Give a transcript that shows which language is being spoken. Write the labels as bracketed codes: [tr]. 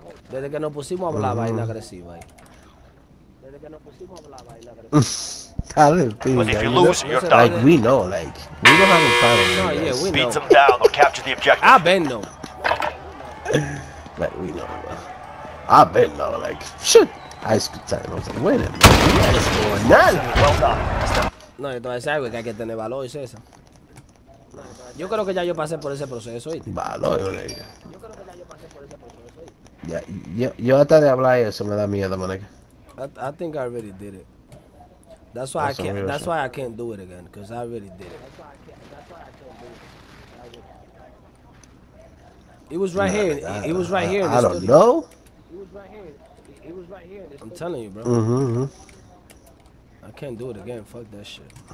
[es] Desde que nos pusimos a hablar vaina agresiva ahí. [en] But if you lose, you're done. Like, we know, like, we don't have a problem. No, yeah, we know. Speed them down or capture the objective. I've been though. Like, we know, bro. I've been though, like, shit. I was like, wait a minute, what is going on? [es] No, yo te voy a decir algo, es que hay que tener valor, César. Yo creo que ya yo pasé por ese proceso. ¿Y? Valor, yo creo que ya yo pasé por ese proceso. ¿Y? Ya, yo hasta de hablar eso me da miedo, manica. [en] I think I already did it. That's why that's why I can't do it again, because I already did it. It was right here. It was right here. I don't know. I'm telling you, bro. I can't do it again. Fuck that shit.